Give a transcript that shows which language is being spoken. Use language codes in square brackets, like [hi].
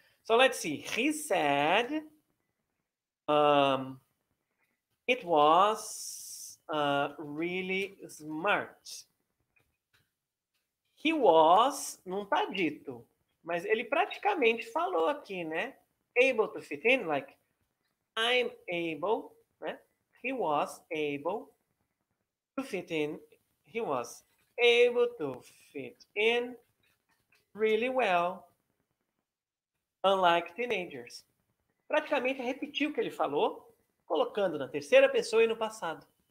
[en] So let's see, he said... it was really smart. He was, [pt] não tá dito, mas ele praticamente falou aqui, né? [en] Able to fit in, like, I'm able, né? He was able to fit in. He was able to fit in really well, unlike teenagers. [pt] Praticamente repetiu o que ele falou, colocando na terceira pessoa e no passado.